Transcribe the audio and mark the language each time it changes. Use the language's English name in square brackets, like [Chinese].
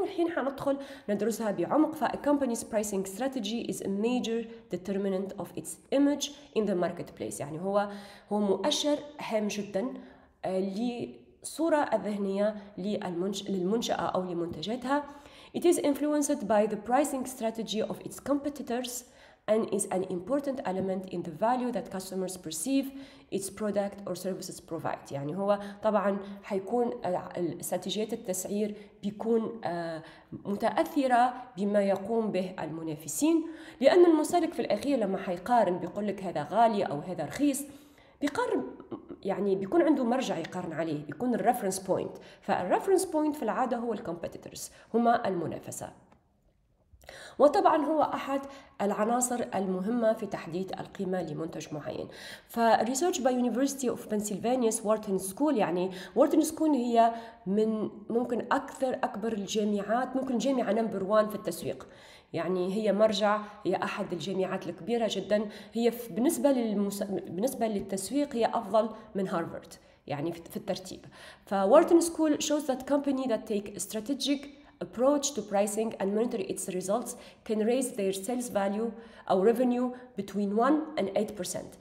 [Arabic] والحين حندخل ندرسها بعمق. [English] فالكومبانيز pricing strategy is a major determinant of its image in the market, [Arabic] يعني هو مؤشر هام جدا للصورة الذهنية للمنشأة او لمنتجاتها. [English] It is influenced by the pricing strategy of its competitors and is an important element in the value that customers perceive its product or services provide. [Arabic] يعني هو طبعا حيكون استراتيجيات التسعير بيكون متأثرة بما يقوم به المنافسين، لأن المستهلك في الأخير لما حيقارن بيقول لك هذا غالي أو هذا رخيص، بيقارن يعني بيكون عنده مرجع يقارن عليه، بيكون الرفرنس بوينت. فالرفرنس بوينت في العادة هو الكومبيتيتورز، هما المنافسة. وطبعا هو احد العناصر المهمه في تحديد القيمه لمنتج معين. فريسيرش باي يونيفرسيتي اوف بنسلفانيا وورتن سكول، يعني وورتن سكول هي من ممكن اكبر الجامعات، ممكن جامعه نمبر 1 في التسويق، يعني هي مرجع، هي احد الجامعات الكبيره جدا، هي بالنسبه للتسويق هي افضل من هارفارد يعني في الترتيب. [English] فوورتن school shows that company that take a strategic approach to pricing and monitor its results can raise their sales value or revenue between 1% and 8%.